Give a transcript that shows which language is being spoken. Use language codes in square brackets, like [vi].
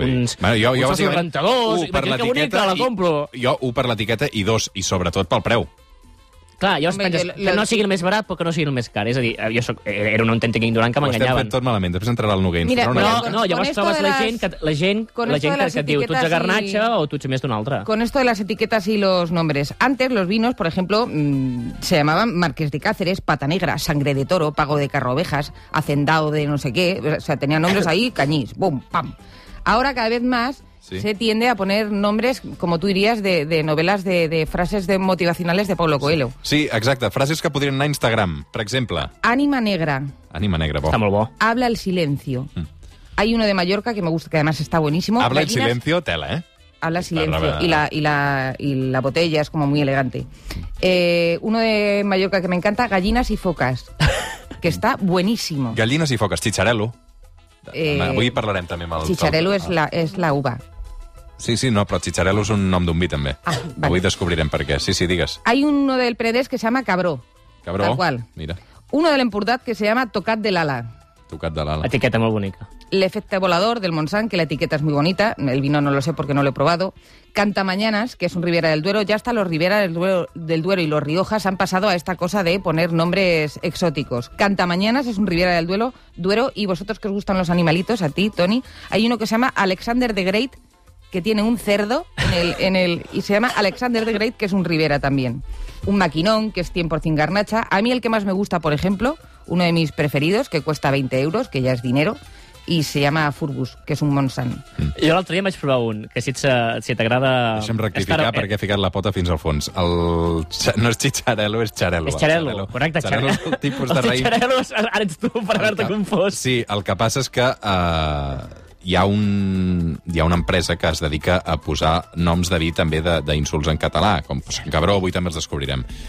[ca] Uns rentadors, que bonica, la compro. Jo, un per l'etiqueta i dos, i sobretot pel preu. Clar, jo penses que no sigui el més barat, però que no sigui el més car. És a dir, jo era un autèntic ignorant que m'enganyaven. Ho estem fent tot malament, després entrarà el Noguer. No, llavors trobes la gent que et diu, tu ets de Garnatxa o tu ets més d'una altra. [es] Con esto de las etiquetas y los nombres. Antes, los vinos, por ejemplo, se llamaban Marqués de Cáceres, Pata Negra, Sangre de Toro, Pago de Carrovejas, Hacendado de no sé qué. O sea, tenían nombres ahí, cañís, boom, pam. Ahora, cada vez más, sí, se tiende a poner nombres, como tú dirías, de novelas, de frases de motivacionales de Paulo Coelho. [ca] Sí, exacte. Frases que podrien anar a Instagram, per exemple. Ànima negra. Ànima negra, bo. Està molt bo. [es] Habla el silencio. Mm. Hay uno de Mallorca que me gusta, que además está buenísimo. Habla el silencio, tela, ¿eh? Habla silencio. Y la botella es como muy elegante. Uno de Mallorca que me encanta, Gallinas y focas, que está buenísimo. Gallinas y focas, Chicharello. [ca] Avui parlarem també amb el... Chicharello és la uva. Sí, no, però Chicharello és un nom d'un vi, també. Ah, vale. Avui descobrirem per què. Sí, digues. [es] Hay uno del Predés que se llama Cabró. [ca] Cabró, tal qual. Mira. [es] Uno de l'Empordat que se llama Tocat de l'Ala. [ca] Tocat de l'Ala. Etiqueta molt bonica. L'Efecte Volador del Montsant, que l'etiqueta és [es] muy bonita. El vino no lo sé porque no lo he probado. Canta Mañanas, que es un Ribera del Duero. Ya hasta los Ribera del Duero y los Riojas han pasado a esta cosa de poner nombres exóticos. Canta Mañanas es un Ribera del Duero. Y vosotros que os gustan los animalitos, a ti, Tony, hay uno que se llama Alexander the Great, que tiene un cerdo en el y se llama Alexander the Great, que es un Ribera también. Un maquinón, que es 100% Garnacha. A mí el que más me gusta, por ejemplo, uno de mis preferidos, que cuesta 20 euros, que ya es dinero, i se llama Furbus, [ca] que és un Montsant. Jo l'altre dia vaig provar un, que si t'agrada... Deixa'm rectificar, perquè he ficat la pota fins al fons. No és Chicharello, és Charello. És Charello, correcte. Charello és el tipus de raïm. Charello, ara ets tu, per haver-te confós. Sí, el que passa és que hi ha una empresa que es dedica a posar noms de vi també d'insults en català, com Cabró, avui també els descobrirem.